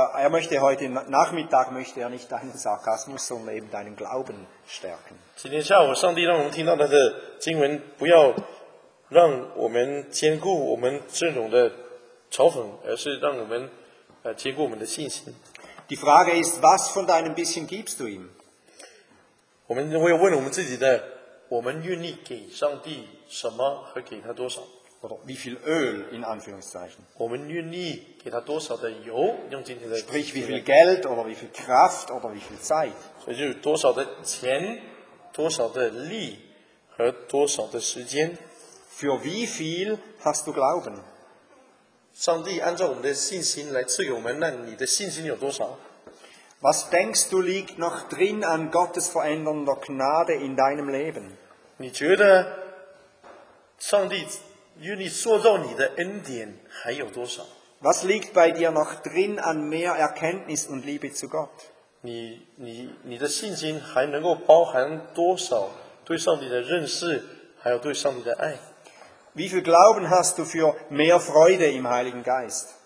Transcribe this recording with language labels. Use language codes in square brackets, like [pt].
[de] Möchte heute Nachmittag möchte nicht deinen Sarkasmus, sondern eben deinen Glauben stärken. [zh] 今天下午，上帝让我们听到他的经文，不要让我们坚固我们这种的嘲讽，而是让我们坚固我们的信心。 [de] Die Frage ist, was von deinem bisschen gibst du ihm? [zh] 我们会问我们自己的，我们愿意给上帝什么和给他多少？ [de] Wie viel Öl in Anführungszeichen? [zh] 我们愿意给他多少的油？用今天的 [de] Sprich, wie viel Geld oder wie viel Kraft oder wie viel Zeit? [zh] 所以就是多少的钱，多少的力和多少的时间。 [de] Für wie viel hast du Glauben? [zh] 上帝按照我们的信心来赐给我们，那你的信心有多少？ [de] Was denkst du liegt noch drin an Gottes verändernder Gnade in deinem Leben? [zh] 你觉得上帝与你塑造你的恩典还有多少？ [de] Was liegt bei dir noch drin an mehr Erkenntnis und Liebe zu Gott? [zh] 你的信心还能够包含多少对上帝的认识，还有对上帝的爱？ [de] Wie viel Glauben hast du für mehr Freude im Heiligen Geist?